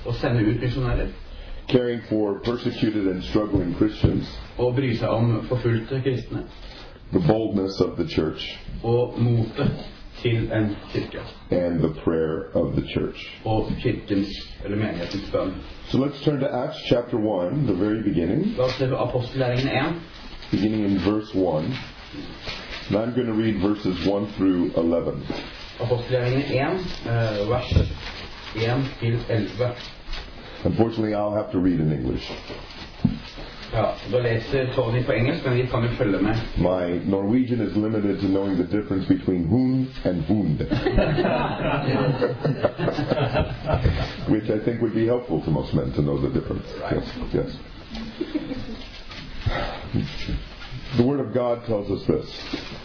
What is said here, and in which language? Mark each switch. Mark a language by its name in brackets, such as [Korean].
[Norwegian] Og sende ut missionærer. [English] Caring for persecuted and struggling Christians. [Norwegian] Og bry seg om forfulgte kristne. [English] The boldness of the church. [Norwegian] Og motet til en kirke. [English] And the prayer of the church. [Norwegian] Og kirkens eller menighetens bønn. [English] So let's turn to Acts chapter 1, the very beginning. [Norwegian] La oss se på apostelgjerningen 1. [English] Beginning in verse 1. And I'm going to read verses 1 through 11. [Norwegian] Apostelgjerningen 1, vers 1 til 11. [English] Unfortunately, I'll have to read in English. [Swedish] Ja, då läser Tony på engelsk, men vi kan ju följa med. [English] My Norwegian is limited to knowing the difference between hun and bund. Which I think would be helpful to most men to know the difference. Right. Yes, yes. The Word of God tells us this.